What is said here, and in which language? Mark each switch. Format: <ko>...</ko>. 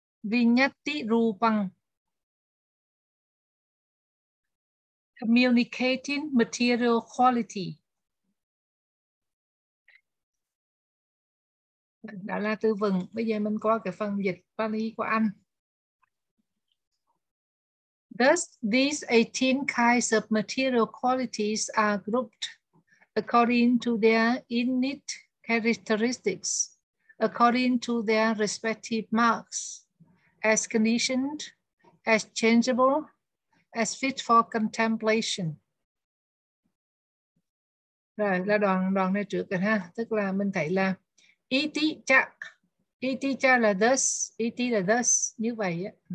<pi>Vinyati Rupang.</pi> <en>Communicating material quality.</en> <vi>Đó là từ vựng. Bây giờ mình qua cái phần dịch Pali của anh.</vi> <en>Thus, these 18 kinds of material qualities are grouped according to their innate characteristics, according to their respective marks, as conditioned, as changeable, as fit for contemplation.</en> <vi>Rồi, là đoạn này trước rồi ha. Tức là mình thấy là iti cha là thus, iti là thus, như vậy á.</vi>